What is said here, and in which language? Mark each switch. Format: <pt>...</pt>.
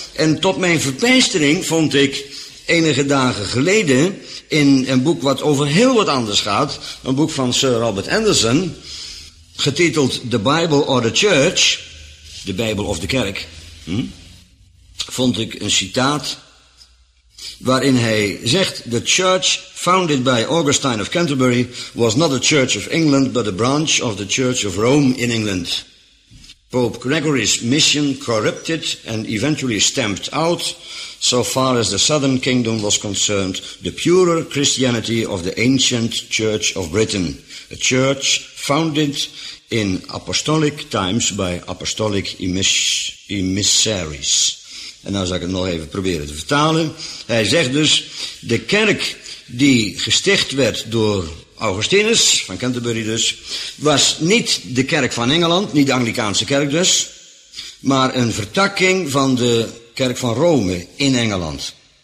<nl>En tot mijn verbijstering vond ik enige dagen geleden in een boek wat over heel wat anders gaat, een boek van Sir Robert Anderson, getiteld The Bible or the Church, de Bijbel of de Kerk, vond ik een citaat waarin hij zegt:</nl> <en>"The church founded by Augustine of Canterbury was not a church of England, but a branch of the church of Rome in England. Pope Gregory's mission corrupted and eventually stamped out, so far as the southern kingdom was concerned, the purer Christianity of the ancient church of Britain, a church founded in apostolic times by apostolic emissaries."</en> <nl>En dan zal ik het nog even proberen te vertalen. Hij zegt dus, de kerk die gesticht werd door Augustinus, van Canterbury dus, was niet de kerk van Engeland, niet de Anglicaanse kerk dus, maar een vertakking van de kerk van Rome in Engeland.</nl>